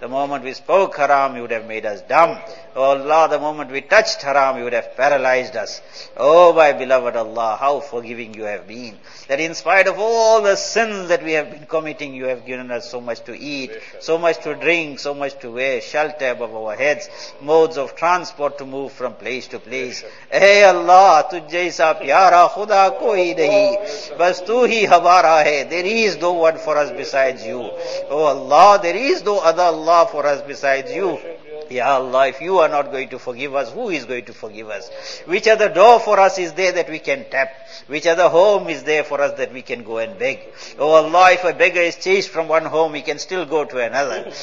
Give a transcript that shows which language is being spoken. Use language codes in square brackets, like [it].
[en] The moment we spoke haram, he would have made us dumb. Oh Allah, the moment we touched haram, he would have paralyzed us. Oh my beloved Allah, how forgiving you have been. That in spite of all the sins that we have been committing, you have given us so much to eat, so much to drink, so much to wear, shelter above our heads, modes of transport to move from place to please. [ur] اے اللہ تجھ جیسا پیارا خدا کوئی نہیں, بس تو ہی ہمارا ہے. [en] There is no one for us besides you. Oh Allah, there is no other Allah for us besides you. Ya Allah, if you are not going to forgive us, who is going to forgive us? Which other door for us is there that we can tap? Which other home is there for us that we can go and beg? Oh Allah, if a beggar is chased from one home, he can still go to another.